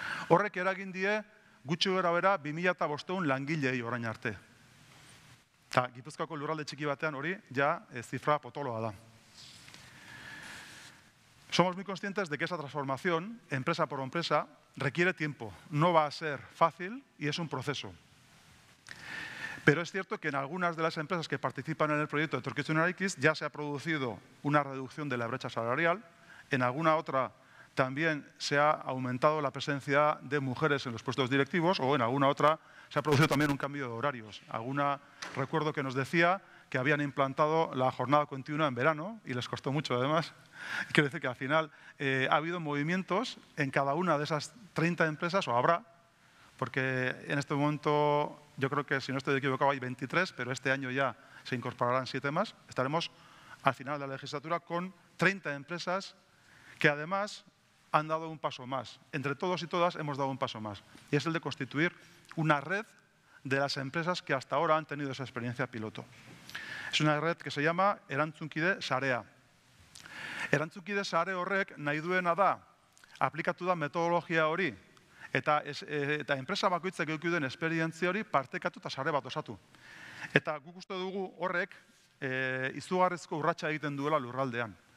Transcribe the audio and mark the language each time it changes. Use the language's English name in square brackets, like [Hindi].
[Basque] Horrek eragin die gutxi gorabehera 2500 langilei orain arte. Eta Gipuzkoako lurralde txiki batean hori ja zifra potoloa da. [Spanish] Somos muy conscientes de que esa transformación, empresa por empresa, requiere tiempo. No va a ser fácil y es un proceso. Pero es cierto que en algunas de las empresas que participan en el proyecto de Etorkizunarekin ya se ha producido una reducción de la brecha salarial. En alguna otra también se ha aumentado la presencia de mujeres en los puestos directivos o en alguna otra se ha producido también un cambio de horarios. Alguna recuerdo que nos decía que habían implantado la jornada continua en verano y les costó mucho además. Quiero decir que al final ha habido movimientos en cada una de esas 30 empresas o habrá, porque en este momento yo creo que si no estoy equivocado hay 23, pero este año ya se incorporarán 7 más. Estaremos al final de la legislatura con 30 empresas que además han dado un paso más. Entre todos y todas hemos dado un paso más y es el de constituir una red de las empresas que hasta ahora han tenido esa experiencia piloto. Es una red que se llama Erantzunkide Sarea. [Basque] Erantzunkide Sare horrek nahi duena da, aplikatu da metodologia hori, eta enpresa bakoitzak eduki duen esperientzia hori partekatu eta sare bat osatu. Eta guk uste dugu horrek izugarrizko urratsa egiten duela lurraldean.